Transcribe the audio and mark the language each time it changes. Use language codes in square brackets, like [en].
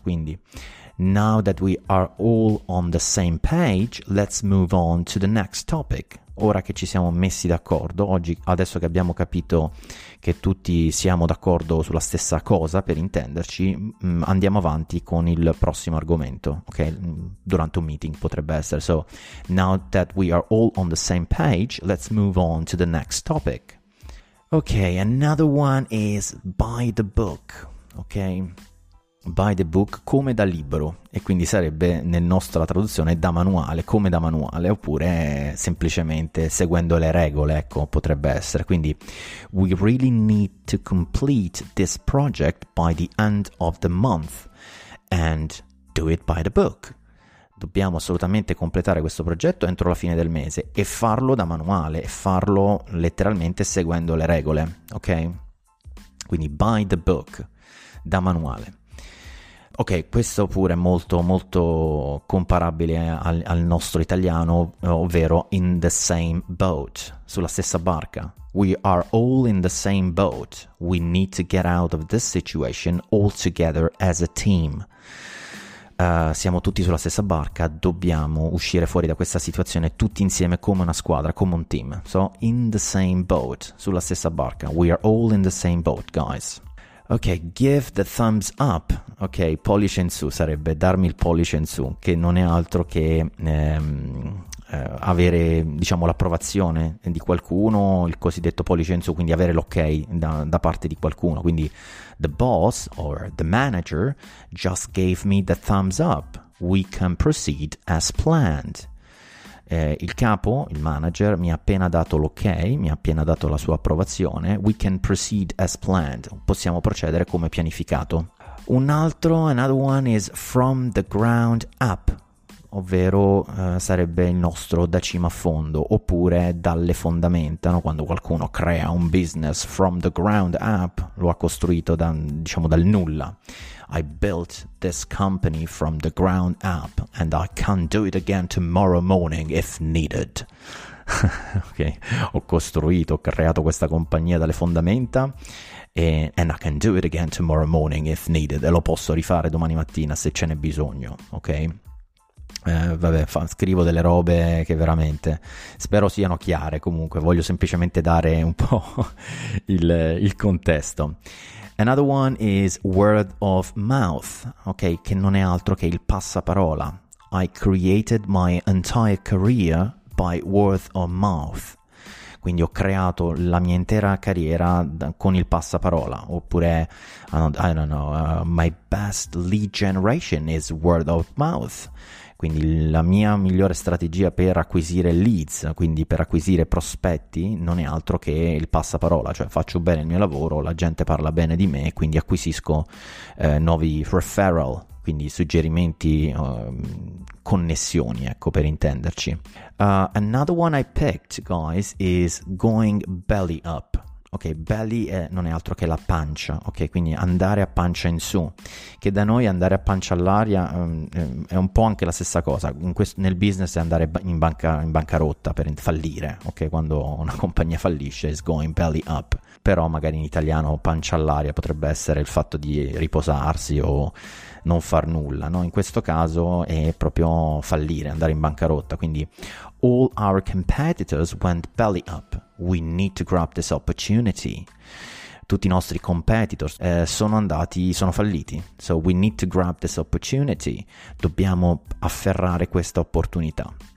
[en] Quindi now that we are all on the same page, let's move on to the next topic. [it] Ora che ci siamo messi d'accordo, oggi, adesso che abbiamo capito che tutti siamo d'accordo sulla stessa cosa, per intenderci, andiamo avanti con il prossimo argomento, ok? Durante un meeting potrebbe essere. [en] So, now that we are all on the same page, let's move on to the next topic. Ok, another one is by the book, ok? By the book, [it] come da libro, e quindi sarebbe nel nostra traduzione da manuale, come da manuale, oppure semplicemente seguendo le regole, ecco, potrebbe essere. [en] Quindi we really need to complete this project by the end of the month and do it by the book. [it] Dobbiamo assolutamente completare questo progetto entro la fine del mese e farlo da manuale, e farlo letteralmente seguendo le regole, ok? Quindi [en] by the book, [it] da manuale. Ok, questo pure è molto molto comparabile al nostro italiano, ovvero [en] in the same boat, [it] sulla stessa barca. [en] We are all in the same boat. We need to get out of this situation all together as a team. [it] Siamo tutti sulla stessa barca, dobbiamo uscire fuori da questa situazione tutti insieme come una squadra, come un team. [en] So, in the same boat, [it] sulla stessa barca. [en] We are all in the same boat, guys. [it] Ok, [en] give the thumbs up, [it] ok, pollice in su sarebbe, darmi il pollice in su, che non è altro che avere, diciamo, l'approvazione di qualcuno, il cosiddetto pollice in su, quindi avere l'ok da parte di qualcuno. [en] Quindi the boss or the manager just gave me the thumbs up, we can proceed as planned. [it] Il capo, il manager, mi ha appena dato l'ok, mi ha appena dato la sua approvazione. [en] We can proceed as planned. [it] Possiamo procedere come pianificato. Un altro, [en] another one, is from the ground up. [it] Ovvero sarebbe il nostro da cima a fondo, oppure dalle fondamenta, no? Quando qualcuno crea un business [en] from the ground up, [it] lo ha costruito diciamo dal nulla. [en] I built this company from the ground up and I can do it again tomorrow morning if needed. [it] Ok, ho costruito, ho creato questa compagnia dalle fondamenta, [en] and I can do it again tomorrow morning if needed, [it] e lo posso rifare domani mattina se ce n'è bisogno, ok? Scrivo delle robe che veramente spero siano chiare, comunque voglio semplicemente dare un po' il contesto. [en] Another one is word of mouth, ok, [it] che non è altro che il passaparola. [en] I created my entire career by word of mouth. [it] Quindi ho creato la mia intera carriera con il passaparola, oppure, [en] my best lead generation is word of mouth. [it] Quindi la mia migliore strategia per acquisire leads, quindi per acquisire prospetti, non è altro che il passaparola, cioè faccio bene il mio lavoro, la gente parla bene di me, quindi acquisisco nuovi referral, quindi suggerimenti, connessioni, ecco, per intenderci. [en] Another one I picked, guys, is going belly up. [it] Ok, belly non è altro che la pancia, ok, quindi andare a pancia in su, che da noi andare a pancia all'aria è un po' anche la stessa cosa, nel business è andare in bancarotta per fallire, ok, quando una compagnia fallisce [en] is going belly up, [it] però magari in italiano pancia all'aria potrebbe essere il fatto di riposarsi o non far nulla, no? In questo caso è proprio fallire, andare in bancarotta, quindi [en] all our competitors went belly up. We need to grab this opportunity. [it] Tutti i nostri competitors sono falliti. [en] So we need to grab this opportunity. [it] Dobbiamo afferrare questa opportunità.